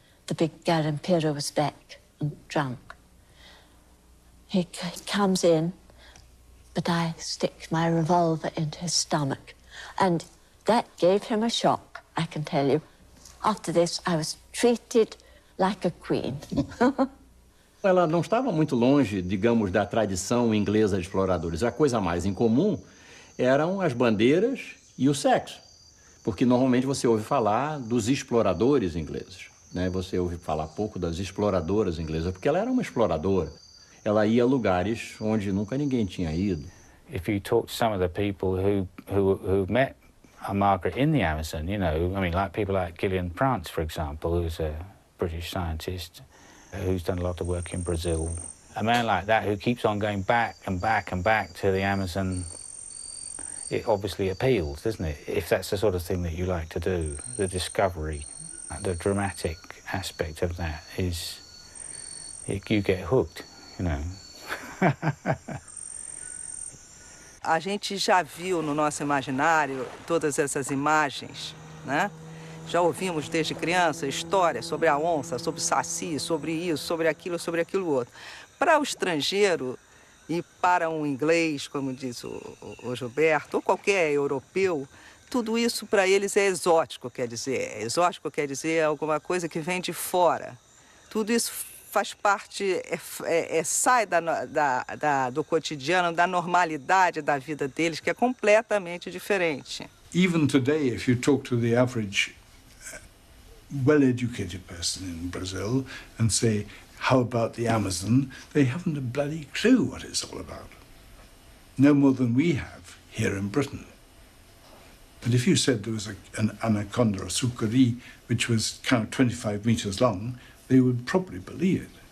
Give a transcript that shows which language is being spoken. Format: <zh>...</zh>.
<en>The big Garimpeiro was back and drunk. He comes in, but I stick my revolver into his stomach. And that gave him a shock, I can tell you. After this, I was treated like a queen.</en> <pt>Ela não estava muito longe, digamos, da tradição inglesa de exploradores. A coisa mais incomum eram as bandeiras e o sexo. Porque normalmente você ouve falar dos exploradores ingleses, né? Você ouve falar pouco das exploradoras inglesas, porque ela era uma exploradora. Ela ia a lugares onde nunca ninguém tinha ido.</pt> <en>If you talk to some of the people who met Margaret in the Amazon, you know, I mean, like people like Gillian Prance, for example, who's a British scientist who's done a lot of work in Brazil. A man like that who keeps on going back and back and back to the Amazon, it obviously appeals, doesn't it? If that's the sort of thing that you like to do, the discovery, the dramatic aspect of that is, you get hooked.</en> <pt>A gente já viu no nosso imaginário todas essas imagens, né? Já ouvimos desde criança histórias sobre a onça, sobre o saci, sobre isso, sobre aquilo outro. Para o estrangeiro e para um inglês, como diz o Gilberto, ou qualquer europeu, tudo isso para eles é exótico, quer dizer. Exótico quer dizer alguma coisa que vem de fora. Tudo isso faz parte, sai do cotidiano, da normalidade da vida deles, que é completamente diferente.</pt> <en>Even today, if you talk to the average well-educated person in Brazil and say, how about the Amazon, they haven't a bloody clue what it's all about. No more than we have here in Britain. But if you said there was an anaconda, a sucuri, which was kind of 25 meters long, they would probably believe it.</en>